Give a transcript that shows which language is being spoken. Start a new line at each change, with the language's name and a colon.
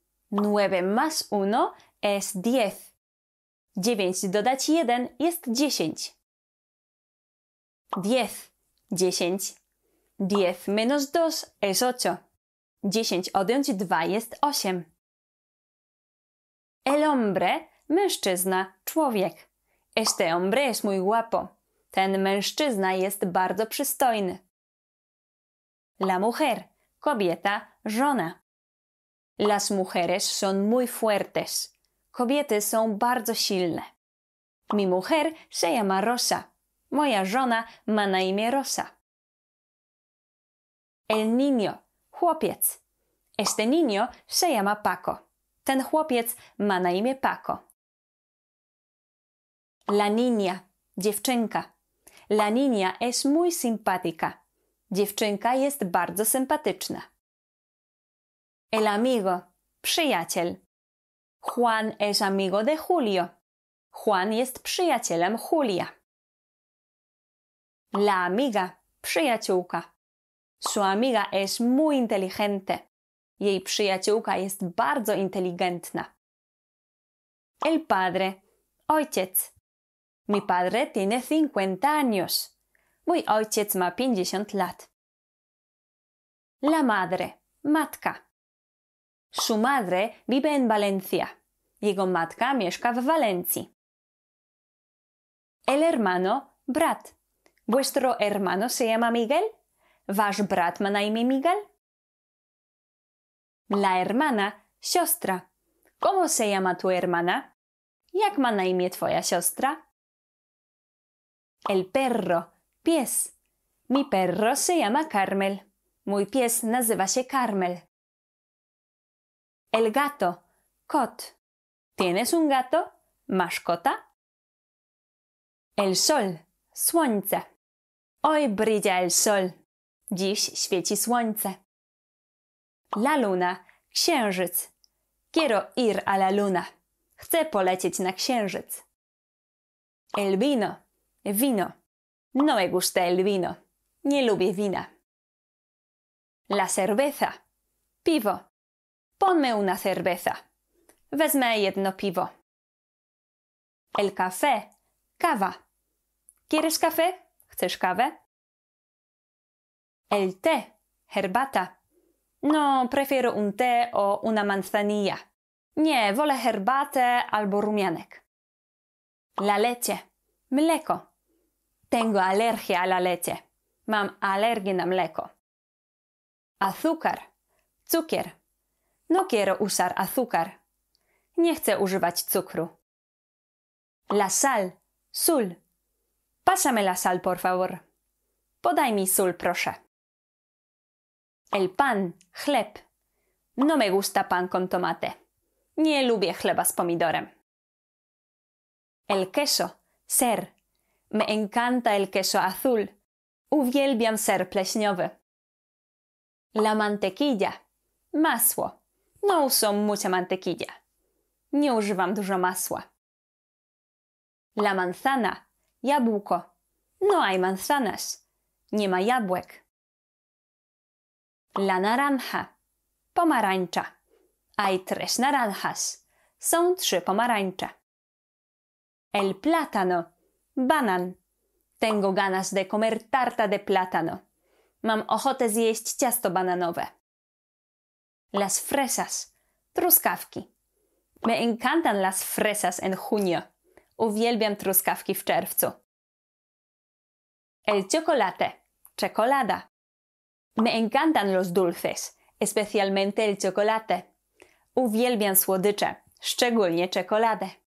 Spanish: 9 más 1 es 10.
Polish: 9 dodać 1 jest 10. 10. 10.
Spanish: 10 menos 2 es 8.
Polish: 10 odjąć 2 jest 8.
Spanish: El hombre, mężczyzna, człowiek. Este hombre es muy guapo.
Polish: Ten mężczyzna jest bardzo przystojny.
Spanish: La mujer, kobieta, żona. Las mujeres son muy fuertes.
Polish: Kobiety są bardzo silne.
Spanish: Mi mujer se llama Rosa.
Polish: Moja żona ma na imię Rosa.
Spanish: El niño, chłopiec. Este niño se llama Paco.
Polish: Ten chłopiec ma na imię Paco.
Spanish: La niña, dziewczynka. La niña es muy simpática.
Polish: Dziewczynka jest bardzo sympatyczna. El amigo, przyjaciel.
Spanish: Juan es amigo de Julio.
Polish: Juan jest przyjacielem Julia.
Spanish: La amiga, przyjaciółka. Su amiga es muy inteligente.
Polish: Jej przyjaciółka jest bardzo inteligentna.
Spanish: El padre, ojciec. Mi padre tiene 50 años.
Polish: Mój ojciec ma 50 lat. La madre, matka.
Spanish: Su madre vive en Valencia.
Polish: Jego matka mieszka w Walencji.
Spanish: El hermano, brat. ¿Vuestro hermano se llama Miguel?
Polish: ¿Wasz brat ma na imię Miguel?
Spanish: La hermana, siostra. ¿Cómo se llama tu hermana?
Polish: ¿Jak ma na imię twoja siostra?
Spanish: El perro, pies. Mi perro se llama Carmel.
Polish: Mój pies nazywa się Carmel.
Spanish: El gato, kot. ¿Tienes un gato?
Polish: ¿Masz kota?
Spanish: El sol, słońce. Hoy brilla el sol.
Polish: Dziś świeci słońce. La luna, księżyc.
Spanish: Quiero ir a la luna.
Polish: Chcę polecieć na księżyc.
Spanish: El vino, wino. No me gusta el vino.
Polish: Nie lubię wina.
Spanish: La cerveza, piwo. Ponme una cerveza.
Polish: Wezmę jedno piwo. El café, kawa.
Spanish: ¿Quieres café?
Polish: ¿Chcesz kawę?
Spanish: El té, herbata. No, prefiero un té o una manzanilla.
Polish: Nie, wolę herbatę albo rumianek.
Spanish: La leche, mleko. Tengo alergia a la leche.
Polish: Mam alergię na mleko. Azúcar, cukier.
Spanish: No quiero usar azúcar.
Polish: Nie chcę używać cukru.
Spanish: La sal, sól. Pásame la sal, por favor.
Polish: Podaj mi sól, proszę. El pan, chleb.
Spanish: No me gusta pan con tomate.
Polish: Nie lubię chleba z pomidorem.
Spanish: El queso, ser. Me encanta el queso azul.
Polish: Uwielbiam ser pleśniowy.
Spanish: La mantequilla, masło. No uso mucha mantequilla.
Polish: Nie używam dużo masła. La manzana, jabłko.
Spanish: No hay manzanas.
Polish: Nie ma jabłek.
Spanish: La naranja, pomarańcza. Hay tres naranjas.
Polish: Są trzy pomarańcze.
Spanish: El plátano, banan. Tengo ganas de comer tarta de plátano.
Polish: Mam ochotę zjeść ciasto bananowe.
Spanish: Las fresas, truskawki. Me encantan las fresas en junio.
Polish: Uwielbiam truskawki w czerwcu. El chocolate, czekolada.
Spanish: Me encantan los dulces, especialmente el chocolate.
Polish: Uwielbiam słodycze, szczególnie czekoladę.